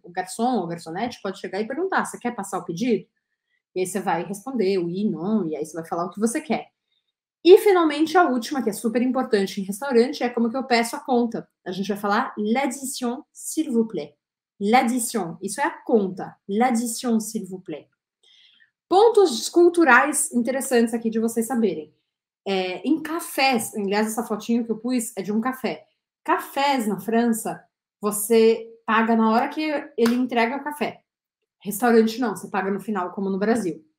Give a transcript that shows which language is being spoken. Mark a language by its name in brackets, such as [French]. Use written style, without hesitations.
[Portuguese] O garçom ou garçonete pode chegar e perguntar, você quer passar o pedido? E aí você vai responder, [French] oui, non, [Portuguese] e aí você vai falar o que você quer. E, finalmente, a última, que é super importante em restaurante, é como que eu peço a conta. A gente vai falar [French] l'addition, s'il vous plaît. L'addition. [Portuguese] Isso é a conta. [French] L'addition, s'il vous plaît. [Portuguese] Pontos culturais interessantes aqui de vocês saberem. Em cafés, aliás, essa fotinho que eu pus é de um café. Cafés, na França, você paga na hora que ele entrega o café. Restaurante, não. Você paga no final, como no Brasil.